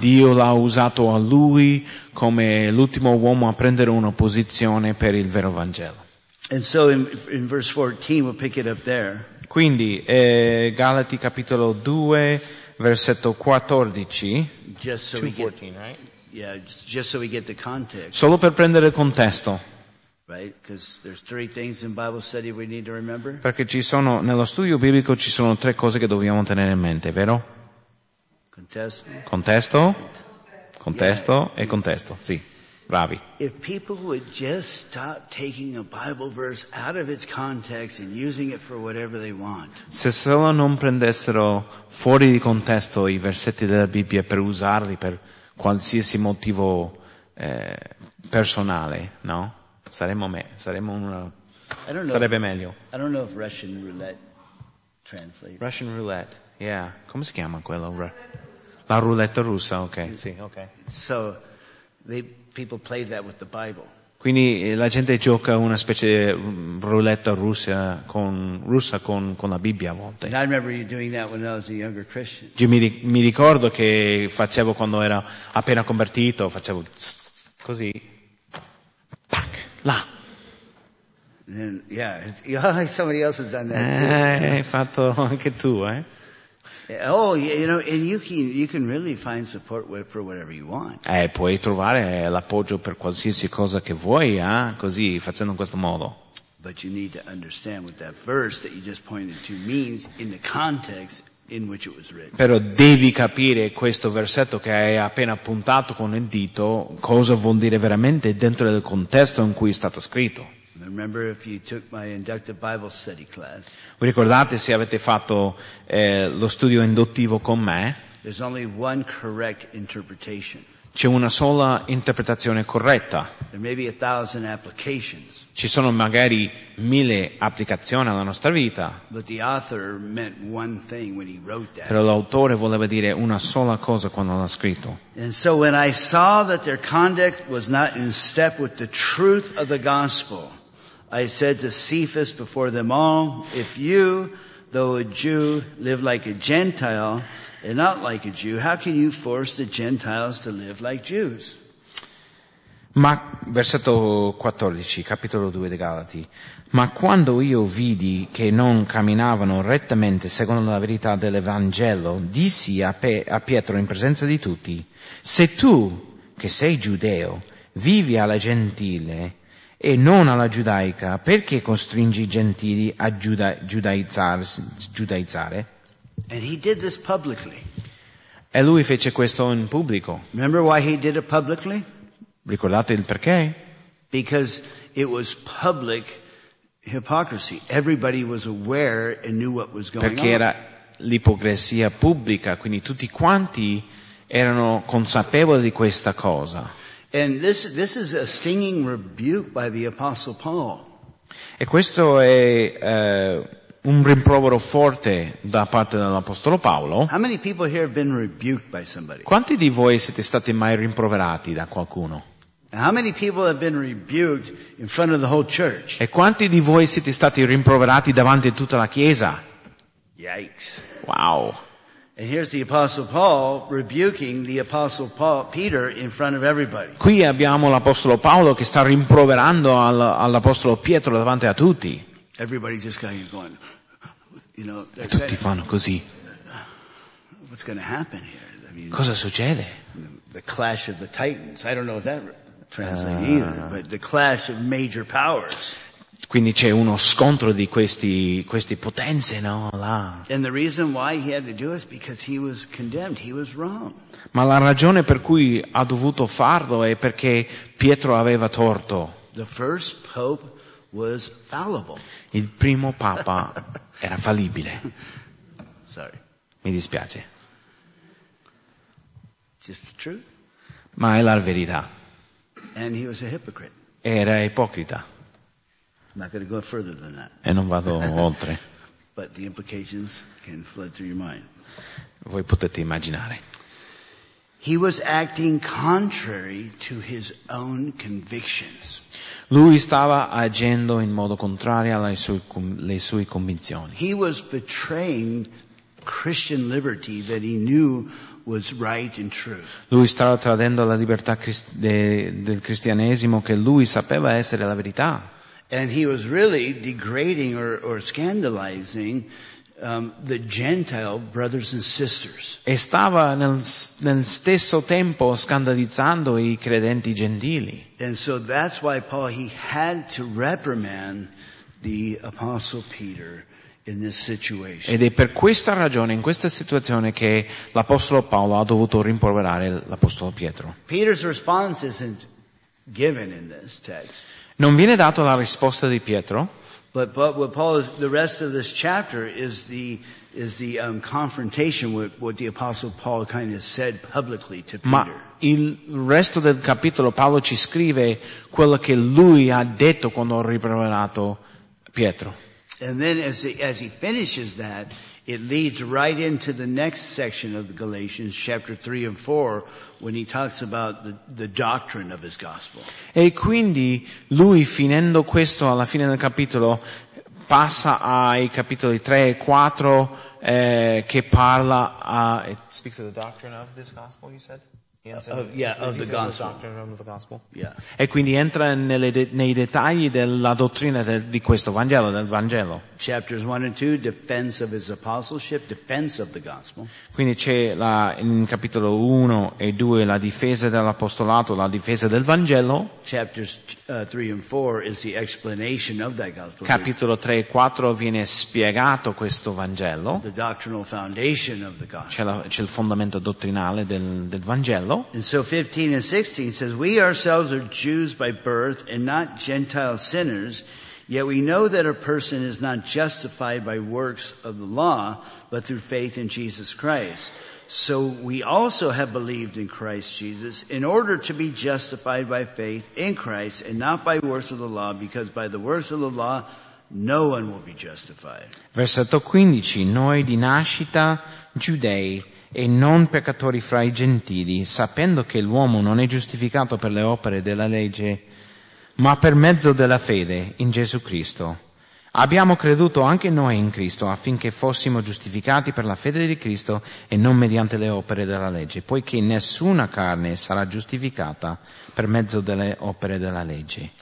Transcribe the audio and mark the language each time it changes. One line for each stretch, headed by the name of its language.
Italian: Dio l'ha usato a lui come l'ultimo uomo a prendere una posizione per il vero Vangelo.
English: And so in verse 14 we'll pick it up there.
Italian: Quindi Galati capitolo 2 versetto 14.
English: Just so 2:14, right? Yeah, just so we get the context.
Italian: Solo per prendere il contesto.
English: Right? Because there's three things in Bible study we need to remember.
Italian: Perché ci sono, nello studio biblico ci sono tre cose che dobbiamo tenere in mente, vero? Contesto, sì. Bravi.
English: If people would just stop taking a Bible verse out of its context and using it for whatever they want.
Italian: Se solo non prendessero fuori di contesto i versetti della Bibbia per usarli per qualsiasi motivo personale, no? Sarebbe meglio.
English: I don't know if Russian roulette translates. Russian roulette, yeah.
Italian: Come si chiama quello? La roulette russa, okay. Sì, okay.
English: So they. People play that with the Bible.
Italian: Quindi la gente gioca una specie di roulette russa con la Bibbia a volte.
English: And I remember you doing that when I was a younger Christian.
Italian: Mi ricordo che facevo quando era appena convertito, facevo così. Pac, là.
English: And then, yeah, somebody else has done that too.
Italian: Hai fatto anche tu, eh?
English: Oh, you know, and you can really find support for whatever you want.
Italian: Puoi trovare l'appoggio per qualsiasi cosa che vuoi, così facendo in questo modo.
English: But you need to understand what that verse that you just pointed to means in the context in which it was written.
Italian: Però devi capire questo versetto che hai appena puntato con il dito cosa vuol dire veramente dentro del contesto in cui è stato scritto.
English: Remember if you took my inductive Bible study class?
Italian: Vi ricordate se avete fatto lo studio induttivo con me?
English: There's only one correct interpretation.
Italian: C'è una sola interpretazione corretta.
English: There may be 1,000 applications.
Italian: Ci sono magari 1,000 applicazioni alla nostra vita.
English: But the author meant one thing when he wrote that.
Italian: Però l'autore voleva dire una sola cosa quando l'ha scritto.
English: And so when I saw that their conduct was not in step with the truth of the gospel, I said to Cephas before them all, if you, though a Jew, live like a Gentile and not like a Jew, how can you force the Gentiles to live like Jews?
Italian: Ma, versetto 14, capitolo 2 di Galati. Ma quando io vidi che non camminavano rettamente secondo la verità dell'Evangelo, dissi a Pietro in presenza di tutti, se tu, che sei giudeo, vivi alla gentile e non alla giudaica, perché costringi i gentili a giudaizzare?
English: And he did this publicly.
Italian: E lui fece questo in pubblico.
English: Remember why he did it publicly?
Italian: Ricordate il perché?
English: Because it was public hypocrisy. Everybody was aware and knew what was going on.
Italian: Perché era l'ipocrisia pubblica, quindi tutti quanti erano consapevoli di questa cosa.
English: And this is a stinging rebuke by the Apostle Paul.
Italian: E questo è un rimprovero forte da parte dell'Apostolo Paolo.
English: How many people here have been rebuked by somebody?
Italian: Quanti di voi siete stati mai rimproverati da qualcuno?
English: How many people have been rebuked in front of the whole church?
Italian: E quanti di voi siete stati rimproverati davanti a tutta la chiesa?
English: Yikes. Wow. And here's the Apostle Paul rebuking the Apostle Paul Peter in front of everybody.
Italian: Qui abbiamo l'Apostolo Paolo che sta rimproverando all'Apostolo Pietro davanti a tutti.
English: Everybody just going, you know.
Italian: E tutti fanno così.
English: What's going to happen here? I mean,
Italian: cosa succede?
English: The clash of the titans. I don't know if that translates either, but the clash of major powers.
Italian: Quindi c'è uno scontro di queste potenze, no? Là.
English: And the reason why he had to do it is because he was condemned. He was wrong.
Italian: Ma la ragione per cui ha dovuto farlo è perché Pietro aveva torto.
English: The first pope was fallible.
Italian: Il primo papa era fallibile.
English: Sorry.
Italian: Mi dispiace.
English: Just the truth.
Italian: Ma è la verità.
English: And he was a hypocrite.
Italian: Era ipocrita.
English: I'm not going to go further than that.
Italian: E non vado oltre.
English: But the implications can flood through your mind.
Italian: Voi potete immaginare.
English: He was acting contrary to his own convictions.
Italian: Lui stava agendo in modo contrario alle sue convinzioni.
English: He was betraying Christian liberty that he knew was right and true.
Italian: Lui stava tradendo la libertà del cristianesimo che lui sapeva essere la verità.
English: And he was really degrading or scandalizing the Gentile brothers and sisters.
Italian: E stava nel stesso tempo scandalizzando I credenti gentili.
English: And so that's why Paul, he had to reprimand the Apostle Peter in this situation.
Italian: Ed è per questa ragione, in questa situazione, che l'Apostolo Paolo ha dovuto rimproverare l'Apostolo Pietro.
English: Peter's response isn't given in this text.
Italian: Non viene data la risposta di Pietro.
English: But what Paul is, the rest of this chapter is the confrontation with what the Apostle Paul kind of said publicly to Peter.
Italian: Ma il resto del capitolo Paolo ci scrive quello che lui ha detto quando ha riprovato Pietro.
English: And then as he finishes that, it leads right into the next section of Galatians, chapter 3 and 4, when he talks about the doctrine of his gospel.
Italian: E quindi lui, finendo questo alla fine del capitolo, passa ai capitoli 3 e 4, che parla a...
English: It speaks of the doctrine of this gospel, you said?
Italian: E quindi entra nei dettagli della dottrina di questo Vangelo, del Vangelo.
English: Chapters 1 and 2, defense of his apostleship, defense of the gospel.
Italian: Quindi c'è in capitolo 1 e 2 la difesa dell'apostolato, la difesa del Vangelo.
English: Chapters 3 and 4 is the explanation of that gospel.
Italian: Capitolo 3 e 4 viene spiegato questo Vangelo.
English: The doctrinal foundation of the gospel.
Italian: C'è il fondamento dottrinale del Vangelo.
English: And so 15 and 16 says, we ourselves are Jews by birth and not Gentile sinners, yet we know that a person is not justified by works of the law, but through faith in Jesus Christ. So we also have believed in Christ Jesus in order to be justified by faith in Christ and not by works of the law, because by the works of the law, no one will be justified.
Italian: Versetto 15, noi di nascita giudei, e non peccatori fra I gentili, sapendo che l'uomo non è giustificato per le opere della legge, ma per mezzo della fede in Gesù Cristo. Abbiamo creduto anche noi in Cristo, affinché fossimo giustificati per la fede di Cristo e non mediante le opere della legge, poiché nessuna carne sarà giustificata per mezzo delle opere della legge.